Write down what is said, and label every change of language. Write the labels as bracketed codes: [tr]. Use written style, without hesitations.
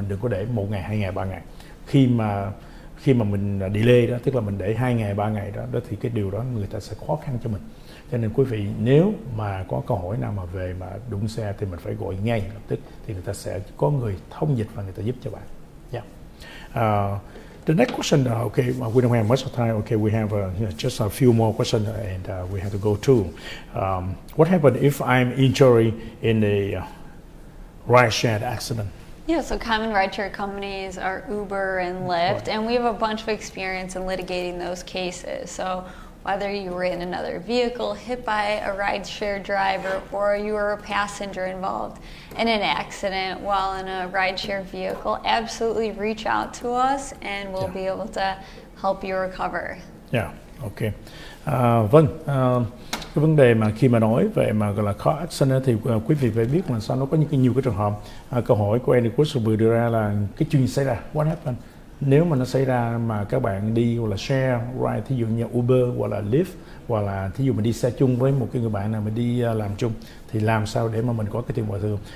[vi] Mình đừng có để 1 ngày, 2 ngày, 3 ngày. Khi mà mình delay đó, tức là mình để 2 ngày, 3 ngày đó, thì cái điều đó người ta sẽ khó khăn cho mình. Cho nên quý vị nếu mà có câu hỏi nào mà về mà đụng xe thì mình phải gọi ngay lập tức, thì người ta sẽ có người thông dịch và người ta giúp cho bạn. [en] Yeah. The next question, okay, we don't have much time. Okay, we have just a few more questions and we have to go to. What happened if I'm injured in a ride-share accident? Yeah, so common rideshare companies are Uber and Lyft, right. And we have a bunch of experience in litigating those cases. So whether you were in another vehicle hit by a rideshare driver or you were a passenger involved in an accident while in a rideshare vehicle, absolutely reach out to us and we'll be able to help you recover. Yeah, okay. [vi] Vâng, cái vấn đề mà khi mà nói về mà gọi là car accident thì quý vị phải biết là sao nó có những cái nhiều cái trường hợp. Câu hỏi của Andy Cruz vừa đưa ra là cái chuyện xảy ra, [en] what happened? [vi] Nếu mà nó xảy ra mà các bạn đi hoặc là share ride, thí dụ như Uber hoặc là Lyft, hoặc là thí dụ mình đi xe chung với một cái người bạn nào mình đi làm chung, thì làm sao để mà mình có cái tiền bồi thường?